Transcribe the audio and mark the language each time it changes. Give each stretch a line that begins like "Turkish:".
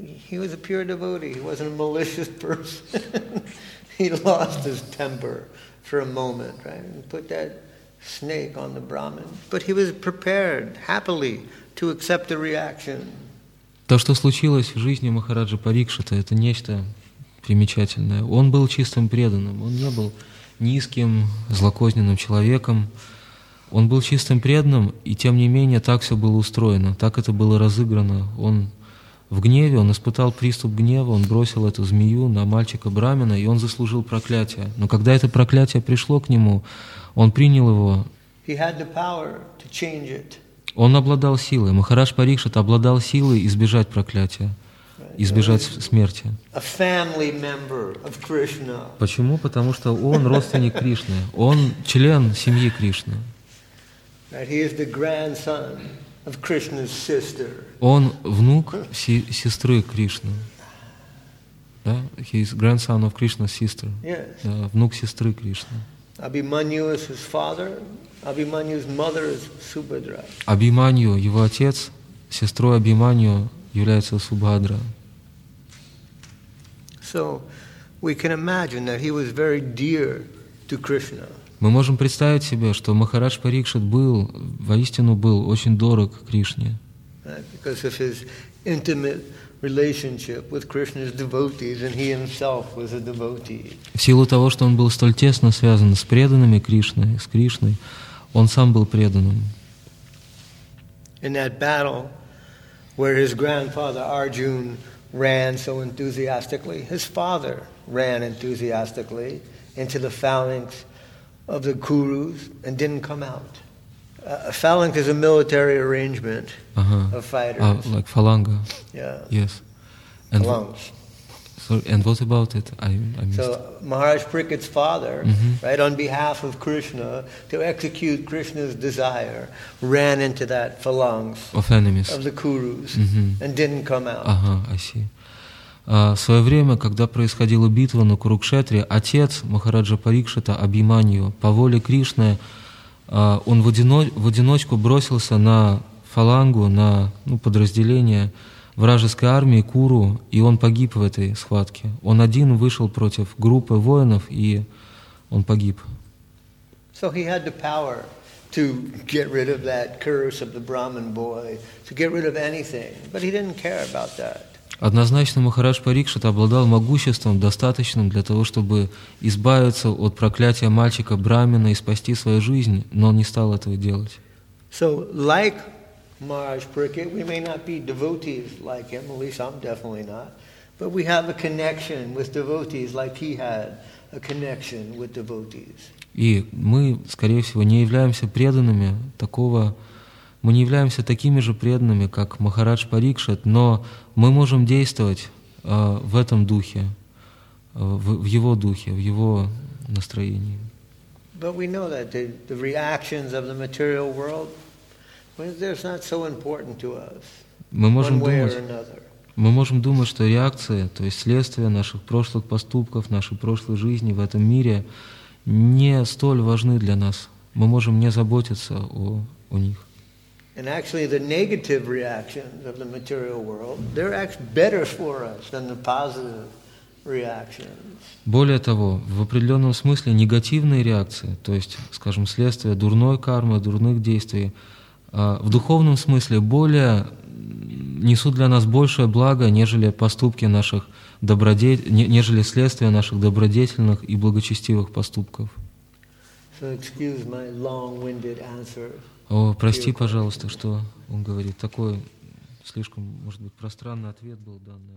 English: He was a pure devotee. He wasn't a malicious person. He lost his temper for a moment, right? And put that snake on the Brahmin. But he was prepared, happily, to accept the reaction.
Russian: То, что случилось в жизни Махараджа Парикшита, это нечто примечательное. Он был чистым преданным. Он не был низким, злокозненным человеком. Он был чистым преданным, и тем не менее так все было устроено, так это было разыграно. Он в гневе, он испытал приступ гнева, он бросил эту змею на мальчика Брамина, и он заслужил проклятие. Но когда это проклятие пришло к нему, он принял его.
English: He had the power to change it.
Russian: Он обладал силой. Махарадж Парикшит обладал силой избежать проклятия, избежать смерти.
English: A family member of Krishna.
Russian: Почему? Потому что он родственник Кришны. Он член семьи Кришны.
English: He is the grandson of Krishna's sister.
Russian: Он внук сестры Кришны. Да?
English: He is grandson of Krishna's sister. Yes.
Russian: Да, внук сестры Кришны.
English: Abhimanyu is his father. Abhimanyu's mother is Subhadra.
Russian: Abhimanyu, его отец, сестрой Abhimanyu является Субхадра.
English: So we can imagine that he was very dear to Krishna.
Russian: Мы можем представить себе, что Махарадж Парикшит был, воистину был, очень дорог Кришне.
English: Because of his intimate relationship with Krishna's devotees, and he himself was a devotee.
Russian: В силу того, что он был столь тесно связан с преданными Кришны, с Кришной, он сам был преданным.
English: In that battle where his grandfather Arjun ran so enthusiastically, his father ran enthusiastically into the phalanx of the Kurus and didn't come out. A phalanx is a military arrangement of fighters. Like phalanga. Yeah. Yes. And phalanx. And what about it? I missed. So Maharaj Prickett's father, right, on behalf of Krishna, to execute Krishna's desire, ran into that phalanx of enemies of the Kurus and didn't come out. I see.
Russian: В свое время, когда происходила битва на Курукшетре, отец Махараджа Парикшита, Абхиманью, по воле Кришны, он в одиночку бросился на фалангу, на подразделение вражеской армии Куру, и он погиб в этой схватке. Он один вышел против группы воинов, и он погиб.
English: So he had the power to get rid of that curse of the Brahmin boy, to get rid of anything. But he didn't care about that.
Russian: Однозначно Махарадж Парикшит обладал могуществом, достаточным для того, чтобы избавиться от проклятия мальчика Брамина и спасти свою жизнь, но он не стал этого делать.
English: So, like Maharaj Parikshit, we may not be devotees like him, at least I'm definitely not, but we have a connection with devotees like he had a connection with devotees.
Russian: И мы, скорее всего, не являемся преданными такого... Мы не являемся такими же преданными, как Махарадж Парикшит, но мы можем действовать в этом духе, в его духе, в его настроении.
English: But we know that the reactions of the material world, they're not so important to us, one way or another.
Russian: Мы можем думать, что реакции, то есть следствия наших прошлых поступков, нашей прошлой жизни в этом мире не столь важны для нас. Мы можем не заботиться о них.
English: And actually the negative reactions of the material world, they're actually better for us than the positive reactions.
Russian: Более того, в определенном смысле негативные реакции, то есть, скажем, следствие дурной кармы, дурных действий, в духовном смысле более несут для нас большее благо, нежели поступки наших нежели следствие наших добродетельных и благочестивых поступков.
English: So excuse my long-winded answer.
Russian: О, прости, пожалуйста, что он говорит. Такой слишком, может быть, пространный ответ был дан.